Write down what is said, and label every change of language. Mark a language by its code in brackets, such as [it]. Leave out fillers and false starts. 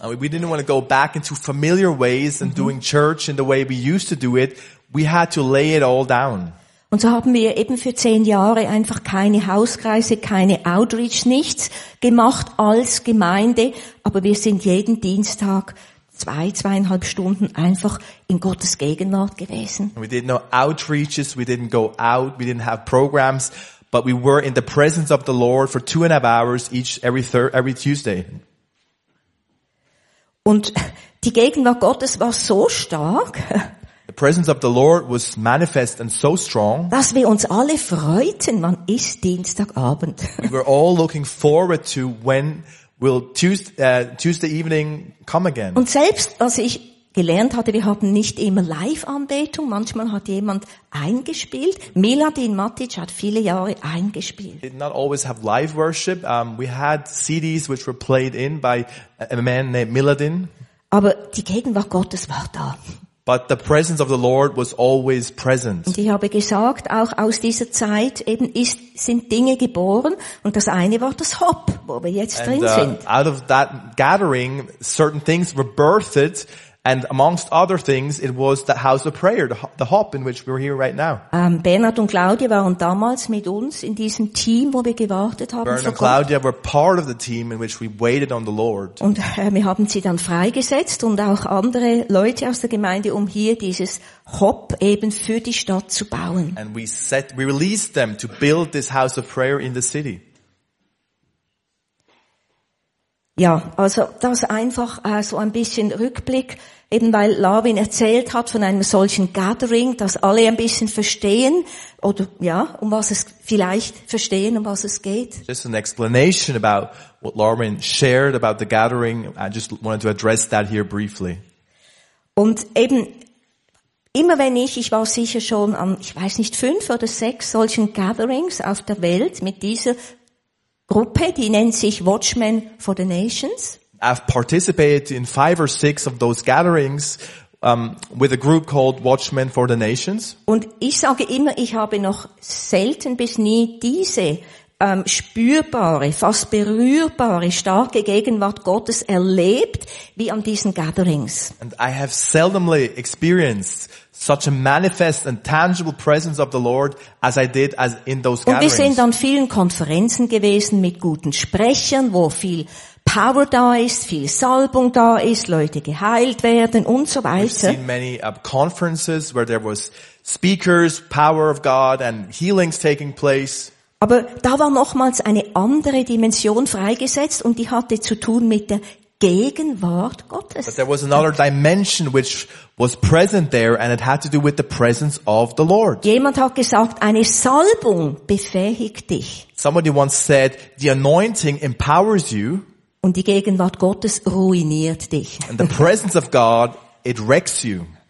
[en] We didn't want to go back into familiar ways and doing church in the way we used to do it. We had to lay it all down. [de] Und so haben wir eben für 10 Jahre einfach keine Hauskreise, keine Outreach, nichts gemacht als Gemeinde. Aber wir sind jeden Dienstag 2-2,5 Stunden einfach in Gottes Gegenwart gewesen. [en] We did no outreaches, we didn't go out, we didn't have programs, but we were in the presence of the Lord for 2.5 hours every Tuesday. [de] Und die Gegenwart Gottes war so stark. [en] The presence of the Lord was manifest and so strong. [de] Dass wir uns alle freuten, wann ist Dienstagabend? [en] We were all looking forward to when will Tuesday evening come again. [de] Und selbst was ich gelernt hatte, wir hatten nicht immer Live-Anbetung. Manchmal hat jemand eingespielt. Miladin Matic hat viele Jahre eingespielt. [en] Did not always have live worship. We had CDs which were played in by a man named Miladin. [de] Aber die Gegenwart Gottes war da. [en] But the presence of the Lord was always present. [de] Und ich habe gesagt, auch aus dieser Zeit eben sind Dinge geboren, und das eine war das Hop, wo wir jetzt drin sind. [en] Out of that gathering, certain things were birthed, And amongst other things, it was the house of prayer, the HOP, in which we're here right now. [de] Bernhard und Claudia waren damals mit uns in diesem Team, wo wir gewartet haben. [en] Bernhard und Claudia were part of the team in which we waited on the Lord. [de] Und wir haben sie dann freigesetzt und auch andere Leute aus der Gemeinde, um hier dieses HOP eben für die Stadt zu bauen. [en] And we released them to build this house of prayer in the city. [de] Ja, also das einfach so ein bisschen Rückblick, eben weil Lavin erzählt hat von einem solchen Gathering, dass alle ein bisschen verstehen oder ja, um was es vielleicht verstehen, um was es geht. [en] Just an explanation about what Lavin shared about the gathering. I just wanted to address that here briefly. [de] Und eben immer wenn ich war sicher schon an, ich weiß nicht, 5 oder 6 solchen Gatherings auf der Welt mit dieser Gruppe, die nennt sich Watchmen for the Nations. [en] I've participated in 5 or 6 of those gatherings with a group called Watchmen for the Nations. [de] Und ich sage immer, ich habe noch selten bis nie diese spürbare, fast berührbare, starke Gegenwart Gottes erlebt, wie an diesen Gatherings. [en] And I have seldomly experienced such a manifest and tangible presence of the Lord as I did as in those gatherings. [de] Und wir sind an vielen Konferenzen gewesen mit guten Sprechern, wo viel Power da ist, viel Salbung da ist, Leute geheilt werden und so weiter. [en] We've seen many conferences where there was speakers, power of God and healings taking place. [de] Aber da war nochmals eine andere Dimension freigesetzt und die hatte zu tun mit der Gegenwart Gottes. [en] But there was another dimension which was present there and it had to do with the presence of the Lord. [de] Jemand hat gesagt, eine Salbung befähigt dich. [en] Somebody once said, the anointing empowers you. [de] Und die Gegenwart Gottes ruiniert dich. [en] And the presence of God, it wrecks you.